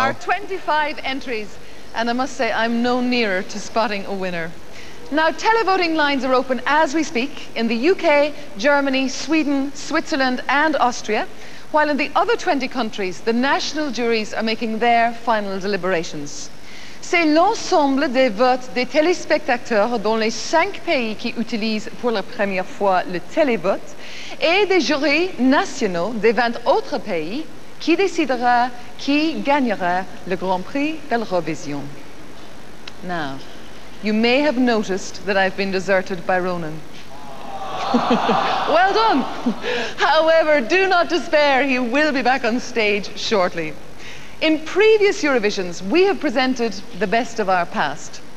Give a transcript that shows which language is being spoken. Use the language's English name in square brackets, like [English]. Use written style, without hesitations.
[English] Our 25 entries, and I must say, I'm no nearer to spotting a winner. Now, televoting lines are open as we speak in the UK, Germany, Sweden, Switzerland, and Austria, while in the other 20 countries, the national juries are making their final deliberations. [French] C'est l'ensemble des votes des téléspectateurs dans les cinq pays qui utilisent pour la première fois le télévote et des jurys nationaux des 20 autres pays qui décidera qui gagnera le Grand Prix de l'Eurovision. [English] Now, you may have noticed that I've been deserted by Ronan. Well done! However, do not despair, he will be back on stage shortly. In previous Eurovisions, we have presented the best of our past.